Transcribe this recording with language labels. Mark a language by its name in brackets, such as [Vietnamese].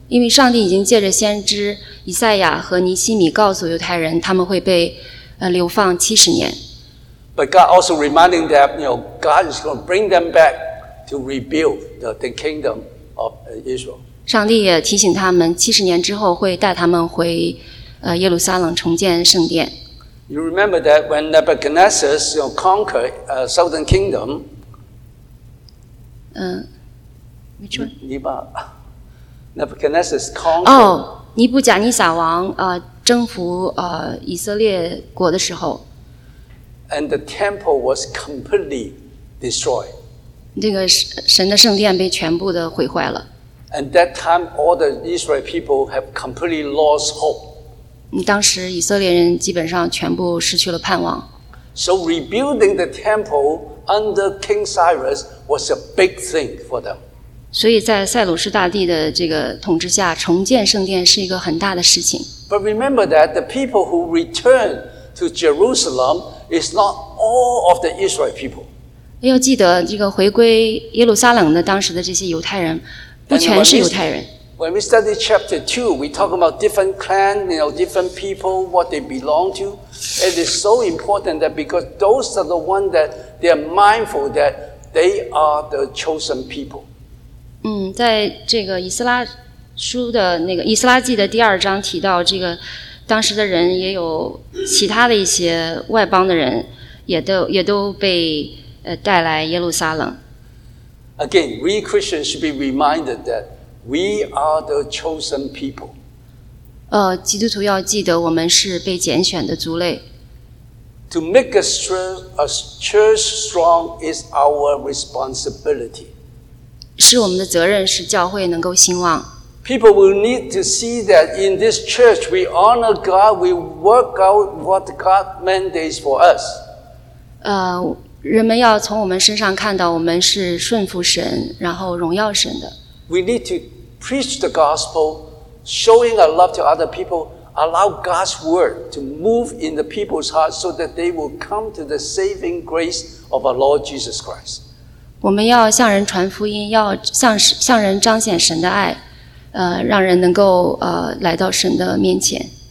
[Chinese] 因为上帝已经借着先知以赛亚和尼希米告诉犹太人他们会被流放70年。 [English] But God also reminding them, you know, God is going to bring them back to rebuild the kingdom of Israel. [Chinese] 上帝也提醒他们70年之后会带他们回耶路撒冷重建圣殿。 [English] You remember that when Nebuchadnezzar, you know, conquered a southern kingdom, which one? Nebuchadnezzar conquered. [Chinese] 尼布甲尼撒王征服以色列国的时候。 [English] And the temple was completely destroyed. [Chinese] 那个神的圣殿被全部的毁坏了。 [English] And that time, all the Israel people have completely lost hope. [Chinese] 当时以色列人基本上全部失去了盼望。 [English] So rebuilding the temple under King Cyrus was a big thing for them. [Chinese] 所以在塞鲁士大帝的这个统治下，重建圣殿是一个很大的事情。 [English] But remember that the people who return to Jerusalem is not all of the Israel people. [Chinese] 要记得，这个回归耶路撒冷的当时的这些犹太人，不全是犹太人。 [English] When we study chapter 2, we talk about different clan, you know, different people, what they belong to. It is so important that because those are the ones that they are mindful that they are the chosen people. [Chinese] 在这个以斯拉书的那个以斯拉记的第二章提到这个当时的人也有其他的一些外邦的人也都被带来耶路撒冷。 [English] Again, we Christians should be reminded that We are the chosen people. [Chinese] 基督徒要记得我们是被拣选的族类。 [English] To make a church strong is our responsibility. [Chinese] 是我们的责任使教会能够兴旺。 [English] People will need to see that in this church we honor God, we work out what God mandates for us. [Chinese] 人们要从我们身上看到我们是顺服神，然后荣耀神的。 [English] We need to preach the gospel, showing a love to other people, allow God's word to move in the people's hearts so that they will come to the saving grace of our Lord Jesus Christ. [Chinese] 我们要向人传福音，要向人彰显神的爱，让人能够来到神的面前。